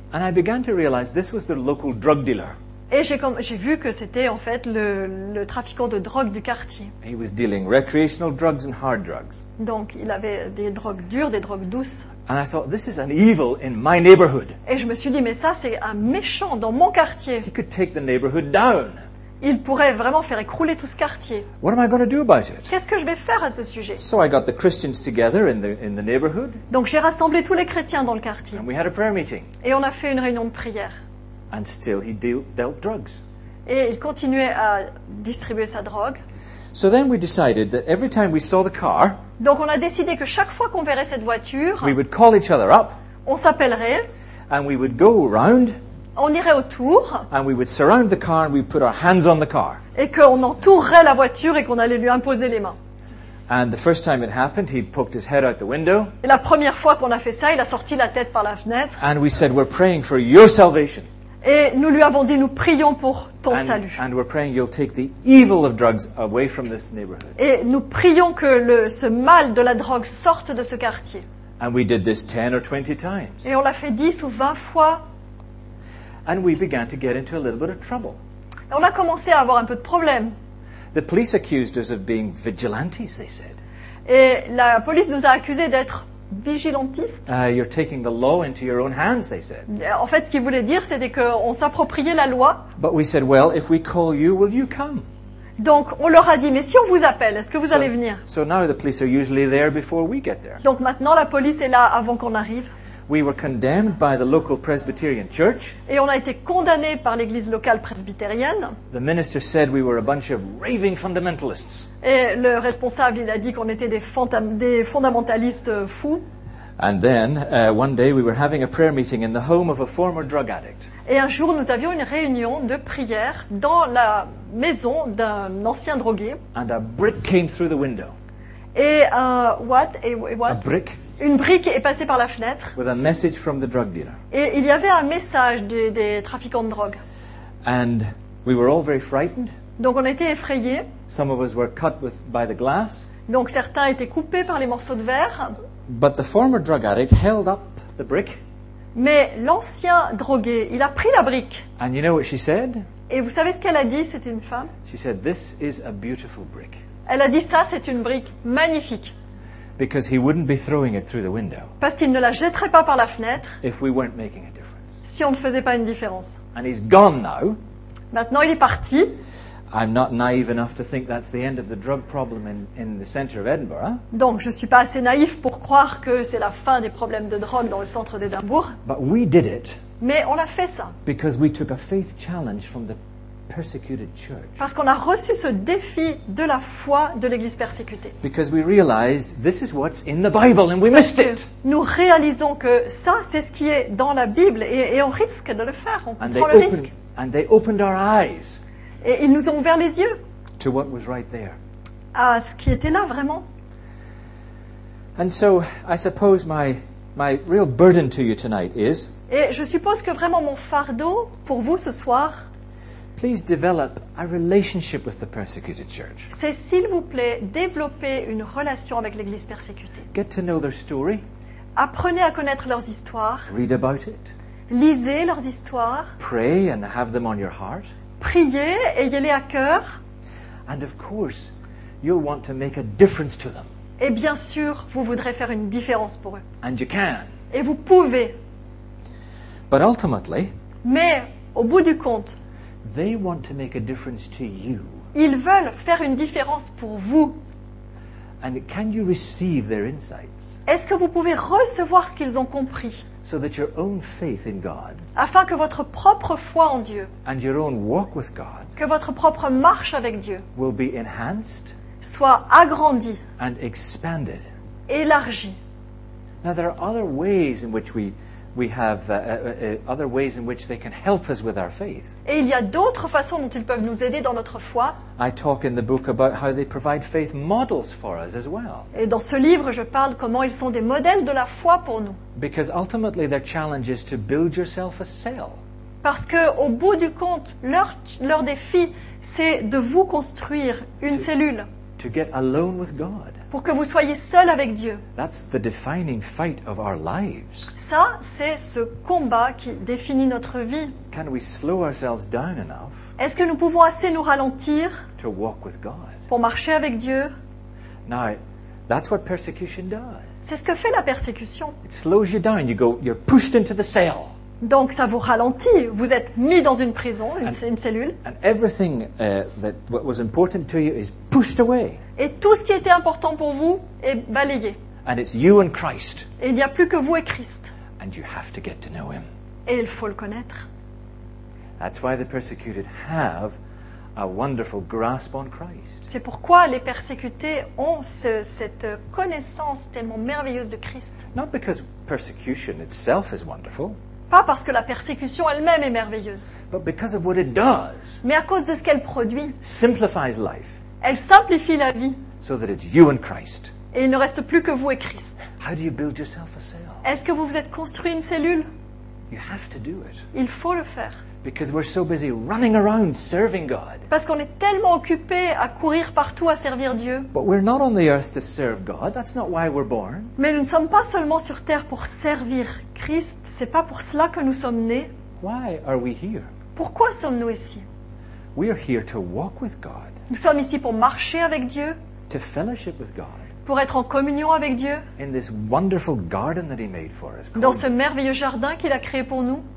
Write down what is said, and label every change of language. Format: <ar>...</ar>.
<en>And I began to realize this was the local drug dealer.</en> <fr>Et j'ai vu que c'était en fait le trafiquant de drogue du quartier.</fr> <en>He was dealing recreational drugs and hard drugs.</en> <fr>Donc il avait des drogues dures, des drogues douces.</fr> <en>And I thought, this is an evil in my neighborhood.</en> <fr>Et je me suis dit, mais ça c'est un méchant dans mon quartier.</fr> <en>He could take the neighborhood down.</en> <fr>Il pourrait vraiment faire écrouler tout ce quartier.</fr> <en>What am I going to do about it?</en> <fr>Qu'est-ce que je vais faire à ce sujet?</fr> <en>So I got the Christians together in the neighborhood.</en> <fr>Donc j'ai rassemblé tous les chrétiens dans le quartier.</fr> <en>And we had a prayer meeting.</en> <fr>Et on a fait une réunion de prière.</fr> <en>And still he dealt drugs.</en> <fr>Et il continuait à distribuer sa drogue.</fr> <en>So then we decided that every time we saw the car,</en> <fr>donc on a décidé que chaque fois qu'on verrait cette voiture,</fr> <en>we would call each other up,</en> <fr>on s'appellerait,</fr> <en>and we would go around,</en> <fr>on irait autour,</fr> <en>and we would surround the car and we would put our hands on the car,</en> <fr>et qu'on entourerait la voiture et qu'on allait lui imposer les mains.</fr> <en>And the first time it happened, he poked his head out the window.</en> <fr>Et la première fois qu'on a fait ça, il a sorti la tête par la fenêtre.</fr> <en>And we said, we're praying for your salvation.</en> <fr>Et nous lui avons dit, nous prions pour ton salut.</fr> <en>And we're praying you'll take the evil of drugs away from this neighborhood.</en> <fr>Et nous prions que ce mal de la drogue sorte de ce quartier.</fr> <en>And we did this 10 or 20 times.</en> <fr>Et on l'a fait 10 ou 20 fois.</fr> <en>And we began to get into a little bit of trouble.</en> <fr>Et on a commencé à avoir un peu de problème.</fr> <en>The police accused us of being vigilantes, they said.</en> <fr>Et la police nous a accusés d'être vigilantistes.</fr> <en>You're taking the law into your own hands, they said.</en> <fr>En fait, ce qu'ils voulaient dire, c'était qu'on s'appropriait la loi.</fr> <en>But we said, well, if we call you, will you come?</en> <fr>Donc, on leur a dit, mais si on vous appelle, est-ce que vous allez venir?</fr> <en>So now the police are usually there before we get there.</en> <fr>Donc maintenant, la police est là avant qu'on arrive.</fr> <en>We were condemned by the local Presbyterian church.</en> <fr>Et on a été condamnés par l'église locale presbytérienne.</fr> <en>The minister said we were a bunch of raving fundamentalists.</en> <fr>Et le responsable, il a dit qu'on était des fondamentalistes fous.</fr> <en>And then, one day, we were having a prayer meeting in the home of a former drug addict.</en> <fr>Et un jour, nous avions une réunion de prière dans la maison d'un ancien drogué.</fr> <en>And a brick came through the window.</en> <fr>Et</fr> <en>A brick.</en> <fr>Une brique est passée par la fenêtre.</fr> <en>With a message from the drug dealer.</en> <fr>Et il y avait un message des trafiquants de drogue.</fr> <en>And we were all very frightened.</en> <fr>Donc on était effrayés.</fr> <en>Some of us were cut by the glass.</en> <fr>Donc certains étaient coupés par les morceaux de verre.</fr> <en>But the former drug addict held up the brick.</en> <fr>Mais l'ancien drogué, il a pris la brique.</fr> <en>And you know what she said?</en> <fr>Et vous savez ce qu'elle a dit, c'était une femme?</fr> <en>She said, "This is a beautiful brick."</en> <fr>Elle a dit ça, c'est une brique magnifique.</fr> <en>Because he wouldn't be throwing it through the window.</en> <fr>Parce qu'il ne la jetterait pas par la fenêtre.</fr> <en>If we weren't making a difference.</en> <fr>Si on ne faisait pas une différence.</fr> <en>And he's gone now.</en> <fr>Maintenant il est parti.</fr> <en>I'm not naive enough to think that's the end of the drug problem in the center of Edinburgh.</en> <fr>Donc je suis pas assez naïf pour croire que c'est la fin des problèmes de drogue dans le centre d'Édimbourg.</fr> <en>But we did it.</en> <fr>Mais on a fait ça.</fr> <en>Because we took a faith challenge from the persecuted church.</en> <fr>Parce qu'on a reçu ce défi de la foi de l'église persécutée.</fr> <en>Because we realized this is what's in the Bible and we missed it.</en> <fr>Nous réalisons que ça c'est ce qui est dans la Bible et on risque de le faire. On prend le risque.</fr> <en>And they opened our eyes.</en> <fr>Et ils nous ont ouvert les yeux.</fr> <en>To what was right there.</en> <fr>À ce qui était là vraiment.</fr> <en>And so I suppose my real burden to you tonight is.</en> <fr>Et je suppose que vraiment mon fardeau pour vous ce soir.</fr> <en>Please develop a relationship with the persecuted church.</en> <fr>C'est s'il vous plaît développer une relation avec l'église persécutée.</fr> <en>Get to know their story.</en> <fr>Apprenez à connaître leurs histoires.</fr> <en>Read about it.</en> <fr>Lisez leurs histoires.</fr> <en>Pray and have them on your heart.</en> <fr>Priez, ayez-les à cœur.</fr> <en>And of course, you'll want to make a difference to them.</en> <fr>Et bien sûr, vous voudrez faire une différence pour eux.</fr> <en>And you can.</en> <fr>Et vous pouvez.</fr> <en>But ultimately,</en> <fr>mais au bout du compte,</fr> <en>they want to make a difference to you.</en> <fr>Ils veulent faire une différence pour vous.</fr> <en>And can you receive their insights?</en> <fr>Est-ce que vous pouvez recevoir ce qu'ils ont compris?</fr> <en>So that your own faith in God,</en> <fr>afin que votre propre foi en Dieu,</fr> <en>and your own walk with God,</en> <fr>que votre propre marche avec Dieu,</fr> <en>will be enhanced,</en> <fr>soit agrandie,</fr> <en>and expanded,</en> <fr>élargie.</fr> <en>Now there are other ways in which we have other ways in which they can help us with our faith.</en> <fr>Et il y a d'autres façons dont ils peuvent nous aider dans notre foi.</fr> <en>I talk in the book about how they provide faith models for us as well.</en> <fr>Et dans ce livre, je parle comment ils sont des modèles de la foi pour nous.</fr> <en>Because ultimately their challenge is to build yourself a cell.</en> <fr>Parce que au bout du compte, leur défi, c'est de vous construire une cellule.</fr> <en>To get alone with God.</en> <fr>Pour que vous soyez seul avec Dieu.</fr> <en>That's the defining fight of our lives.</en> <fr>Ça, c'est ce combat qui définit notre vie.</fr> <en>Can we slow ourselves down enough?</en> <fr>Est-ce que nous pouvons assez nous ralentir?</fr> <en>To walk with God.</en> <fr>Pour marcher avec Dieu?</fr> <en>Now, that's what persecution does.</en> <fr>C'est ce que fait la persécution.</fr> <en>It slows you down. You're pushed into the cell.</en> <fr>Donc ça vous ralentit, vous êtes mis dans une prison, une cellule.</fr> <en>And everything that was important to you is pushed away.</en> <fr>Et tout ce qui était important pour vous est balayé.</fr> <en>And it's you and Christ.</en> <fr>Et il n'y a plus que vous et Christ.</fr> <en>And you have to get to know him.</en> <fr>Et il faut le connaître.</fr> <en>That's why the persecuted have a wonderful grasp on Christ.</en> <fr>C'est pourquoi les persécutés ont cette connaissance tellement merveilleuse de Christ.</fr> <en>Not because persecution itself is wonderful.</en> <fr>Pas parce que la persécution elle-même est merveilleuse.</fr> <en>But because of what it does,</en> <fr>mais à cause de ce qu'elle produit.</fr> <en>Simplifies life,</en> <fr>elle simplifie la vie.</fr> <en>So that it's you and Christ.</en> <fr>Et il ne reste plus que vous et Christ.</fr> <en>How do you build yourself a cell?</en> <fr>Est-ce que vous vous êtes construit une cellule?</fr> <en>You have to do it.</en> <fr>Il faut le faire.</fr> <en>Because we're so busy running around serving God.</en> <fr>Parce qu'on est tellement occupé à courir partout à servir Dieu.</fr> <en>But we're not on the earth to serve God. That's not why we're born.</en> <fr>Mais nous ne sommes pas seulement sur terre pour servir Christ. C'est pas pour cela que nous sommes nés.</fr> <en>Why are we here?</en> <fr>Pourquoi sommes-nous ici?</fr> <en>We are here to walk with God.</en> <fr>Nous sommes ici pour marcher avec Dieu.</fr> <en>To fellowship with God.</en> <fr>Pour être en communion avec Dieu.</fr> <en>In this wonderful garden that he made for us.</en> <fr>Dans ce merveilleux jardin qu'il a créé pour nous.</fr>